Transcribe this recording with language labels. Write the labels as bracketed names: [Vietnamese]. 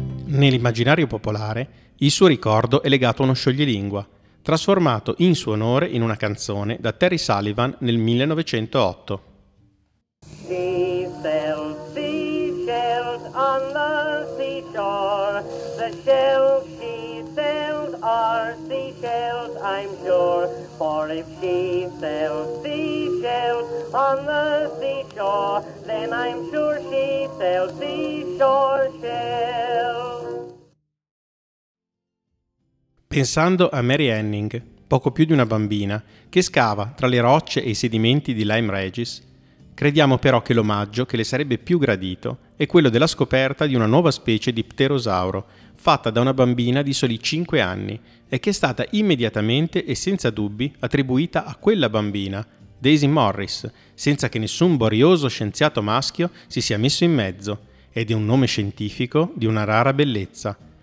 [Italian] Nell'immaginario popolare, il suo ricordo è legato a uno scioglilingua, trasformato in suo onore in una canzone da Terry Sullivan nel 1908. [English] Seashells, seashells on the seashore, the shells she sells are seashells, I'm sure. For if she sells seashells on the seashore, then I'm sure she sells seashore shells. [Italian] Pensando a Mary Anning, poco più di una bambina, che scava tra le rocce e i sedimenti di Lyme Regis, crediamo però che l'omaggio che le sarebbe più gradito è quello della scoperta di una nuova specie di pterosauro, fatta da una bambina di soli 5 anni e che è stata immediatamente e senza dubbi attribuita a quella bambina, Daisy Morris, senza che nessun borioso scienziato maschio si sia messo in mezzo, ed è un nome scientifico di una rara bellezza.